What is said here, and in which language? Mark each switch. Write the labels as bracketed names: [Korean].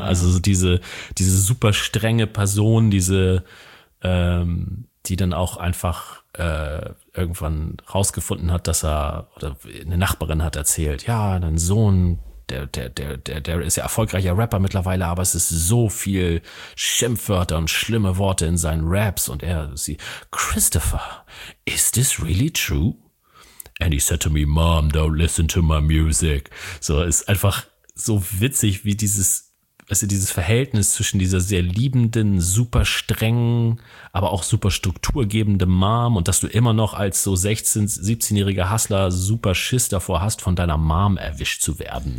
[German] Also diese super strenge Person, die dann auch einfach irgendwann rausgefunden hat, dass er, oder eine Nachbarin hat erzählt, ja, dein Sohn, der ist ja erfolgreicher Rapper mittlerweile, aber es ist so viel Schimpfwörter und schlimme Worte in seinen Raps. [English] Und Christopher, is this really true? And he said to me, Mom, don't listen to my music. [German] So, ist einfach so witzig, wie dieses Verhältnis zwischen dieser sehr liebenden, super strengen, aber auch super strukturgebenden Mom und dass du immer noch als so 16, 17-jähriger Hustler super Schiss davor hast, von deiner Mom erwischt zu werden.